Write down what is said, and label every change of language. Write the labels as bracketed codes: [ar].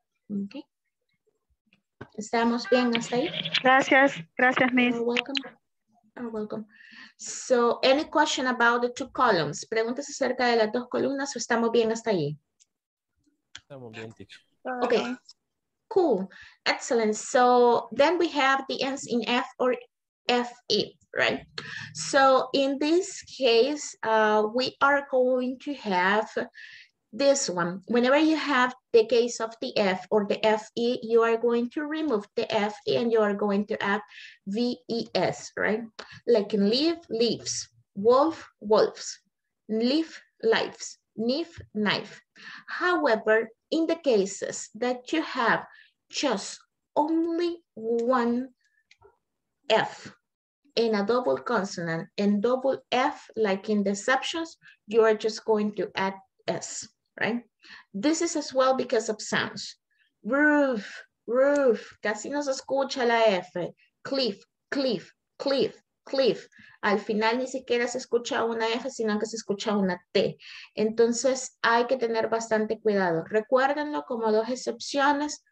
[es] ¿Ok? ¿Estamos bien hasta ahí? Gracias, gracias, Miss. [en] You're welcome. You're welcome. So, any question about the two columns? [es] ¿Preguntas acerca de las dos columnas o estamos bien hasta ahí? Estamos bien, teacher. [en] Ok. Cool. Excellent. So, then we have the ends in F or F-E. Right. So in this case, we are going to have this one. Whenever you have the case of the F or the FE, you are going to remove the FE and you are going to add VES, right? Like in leave, leaves, wolf, wolves, leaf, lives, knife, knife. However, in the cases that you have just only one F, in a double consonant and double F, like in deceptions, you are just going to add S, right? This is as well because of sounds. [es] Roof, roof, casi no se escucha la F. Cliff, cliff, cliff, cliff. Al final ni siquiera se escucha una F, sino que se escucha una T. Entonces hay que tener bastante cuidado. Recuérdenlo como dos excepciones.